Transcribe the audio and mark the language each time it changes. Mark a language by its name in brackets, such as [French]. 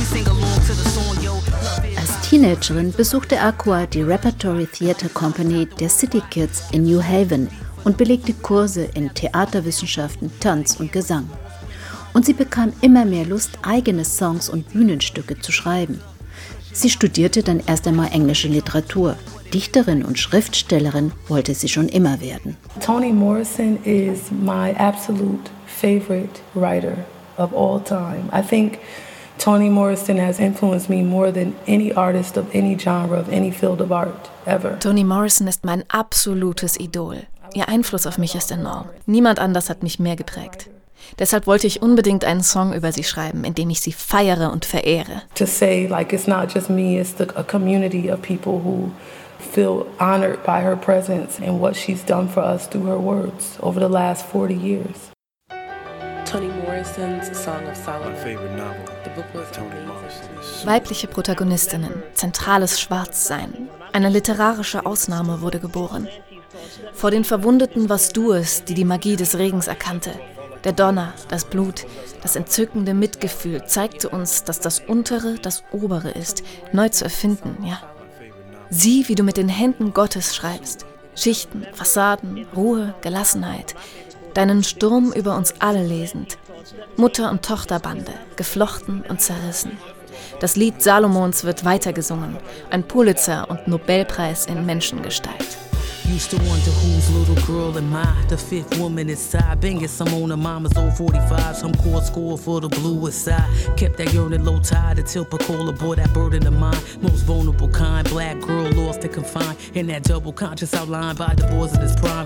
[German] Als Teenagerin besuchte Aqua die Repertory Theater Company der City Kids in New Haven und belegte Kurse in Theaterwissenschaften, Tanz und Gesang. Und sie bekam immer mehr Lust, eigene Songs und Bühnenstücke zu schreiben. Sie studierte dann erst einmal englische Literatur. Dichterin und Schriftstellerin wollte sie schon immer werden. [English] Toni Morrison is my absolute favorite writer of all time. I think Toni Morrison has influenced me more than any artist of any genre of any field of art ever. [German] Toni Morrison ist mein absolutes Idol. Ihr Einfluss auf mich ist enorm. Niemand anders hat mich mehr geprägt. Deshalb wollte ich unbedingt einen Song über sie schreiben, in dem ich sie feiere und verehre. [English] To say like it's not just me, it's a community of people who feel honored by her presence and what she's done for us through her words over the last 40 years. Toni Morrison's Song of Solomon. My favorite novel. The book was Toni Morrison. [German] Weibliche Protagonistinnen, zentrales Schwarzsein, eine literarische Ausnahme wurde geboren. Vor den Verwundeten warst du es, die die Magie des Regens erkannte. Der Donner, das Blut, das entzückende Mitgefühl zeigte uns, dass das Untere das Obere ist, neu zu erfinden, ja. Sieh, wie du mit den Händen Gottes schreibst. Schichten, Fassaden, Ruhe, Gelassenheit. Deinen Sturm über uns alle lesend. Mutter- und Tochterbande, geflochten und zerrissen. Das Lied Salomons wird weitergesungen. Ein Pulitzer- und Nobelpreis in Menschengestalt. [English] Used to wonder whose little girl am I, the fifth woman inside. Been get some on her mama's old 45, some court score for the bluest side. Kept that yearning low tide until Pecola bore that burden of mine. Most vulnerable kind, black girl lost and confined in that double conscious outlined by the boys in his prime.